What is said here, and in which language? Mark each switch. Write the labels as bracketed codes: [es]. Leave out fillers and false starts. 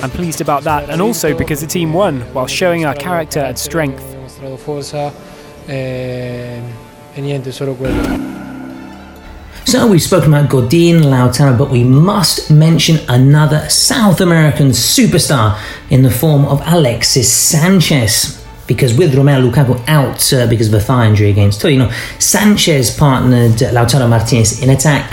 [en] I'm pleased about that, and also because the team won while showing our character and strength. [it] Abbiamo dimostrato forza e niente, solo quello. [en] So we've spoken about Godin, Lautaro, but we must mention another South American superstar in the form of Alexis Sanchez. Because with Romelu Lukaku out because of a thigh injury against Torino, Sanchez partnered Lautaro Martinez in attack.